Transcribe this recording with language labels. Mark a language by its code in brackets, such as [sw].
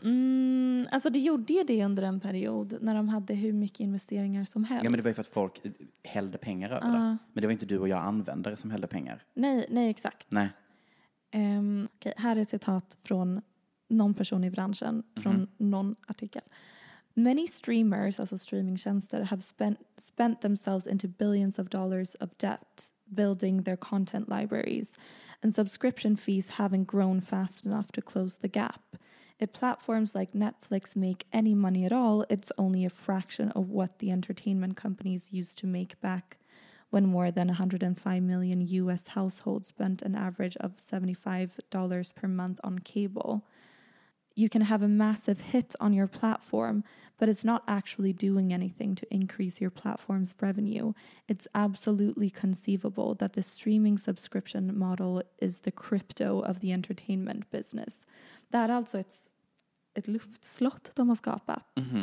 [sv] Mm, alltså det gjorde ju det under en period när de hade hur mycket investeringar som helst. Ja, men det var ju för att folk hällde pengar över det. Men det var inte du och jag användare som hällde pengar. Nej, exakt. Nej. Okej, här är ett citat från någon person i branschen. Från någon artikel. [en] Many streamers, [sv] alltså streamingtjänster, [en] have spent themselves into billions of dollars of debt building their content libraries, and subscription fees haven't grown fast enough to close the gap. If platforms like Netflix make any money at all, it's only a fraction of what the entertainment companies used to make back when more than 105 million U.S. households spent an average of $75 per month on cable. You can have a massive hit on your platform, but it's not actually doing anything to increase your platform's revenue. It's absolutely conceivable that the streaming subscription model is the crypto of the entertainment business. [sv] Det är alltså ett, ett luftslott de har skapat.